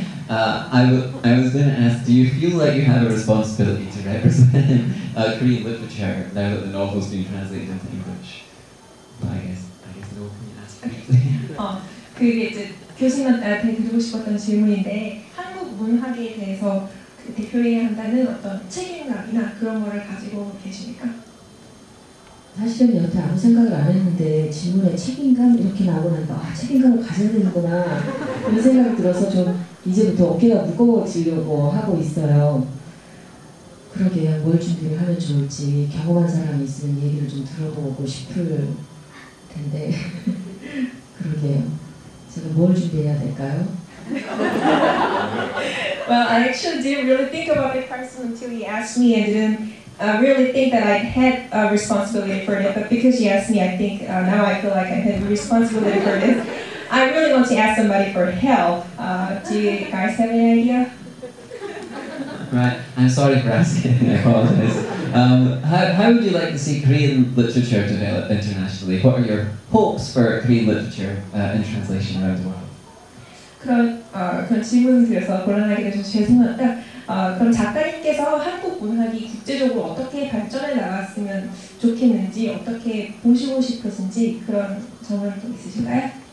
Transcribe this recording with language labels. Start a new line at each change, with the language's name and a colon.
English: I was going to ask, do you feel like you have a responsibility to represent Korean literature now that the novel's been translated into English? I guess no one can ask you.
Korean: 그게 이제 교수님한테 드리고 싶었던 질문인데 한국 문학에 대해서 대표해야 한다는 어떤 책임감이나 그런 거를 가지고 계십니까? 사실은 여태 아무 생각을 안 했는데 질문에 책임감 이렇게 나오고 나니까 아 책임감을 가져야 되는구나 이런 생각이 들어서 좀 이제부터 어깨가 무거워지려고 하고 있어요. 그러게요. 뭘 준비를 하면 좋을지 경험한 사람이 있으면 얘기를 좀 들어보고 싶을 텐데 그러게요. 제가 뭘 준비해야 될까요?
English: Well, I actually didn't really think about the person until he asked me. I didn't really think that I had a responsibility for it. But because he asked me, I think now I feel like I had a responsibility for this. I really want to ask somebody for help. Do you guys have any idea? Right. I'm sorry for asking. I apologize. How would you like to see Korean literature develop internationally? What are your hopes for Korean literature in translation around the world?
Korean: 그런 질문을 드려서 곤란하게 되어서 죄송합니다. 그럼 작가님께서 한국 문학이 국제적으로 어떻게 발전해 나갔으면 좋겠는지 어떻게 보시고 싶으신지 그런 점을 좀 있으신가요?